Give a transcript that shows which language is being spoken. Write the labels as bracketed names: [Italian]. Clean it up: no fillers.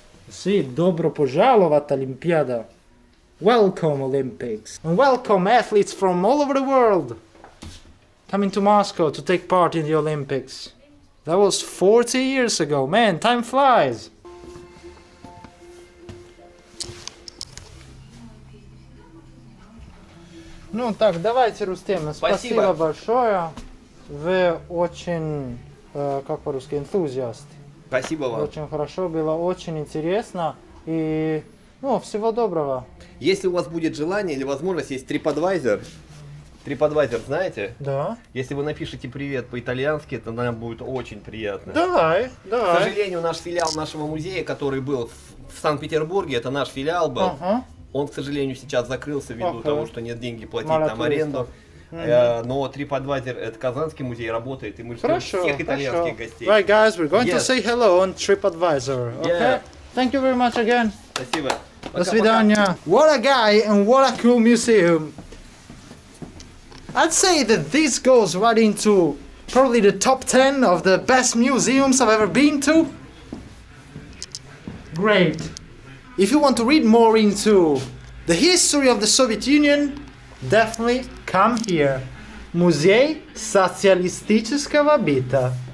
[Russian] Sì, добро пожаловать, Олимпиада! [English] Welcome, Olympics! And welcome, athletes from all over the world, coming to Moscow to take part in the Olympics. That was 40 years ago. Man, time flies! [Russian] Ну так, давайте, Рустем, спасибо большое. Вы очень, как по-русски, энтузиаст. Спасибо вам. Очень хорошо, было очень интересно. И, ну, всего доброго. Если у вас будет желание или возможность, есть TripAdvisor. TripAdvisor, знаете? Да. Если вы напишите привет по-итальянски, то нам будет очень приятно. Давай, давай. К сожалению, наш филиал нашего музея, который был в Санкт-Петербурге, это наш филиал был. Он, к сожалению, сейчас закрылся ввиду того, что нет деньги платить там аренду. Но TripAdvisor, это Казанский музей, работает, и мы ждем всех итальянских гостей. [English] Right, guys, we're going to say hello on TripAdvisor. Okay? Yeah. Thank you very much again. [Russian] Спасибо. До свидания. [English] What a guy and what a cool museum. I'd say that this goes right into probably the top 10 of the best museums I've ever been to. Great. If you want to read more into the history of the Soviet Union, definitely [Russian] Кампир, музей социалистического быта.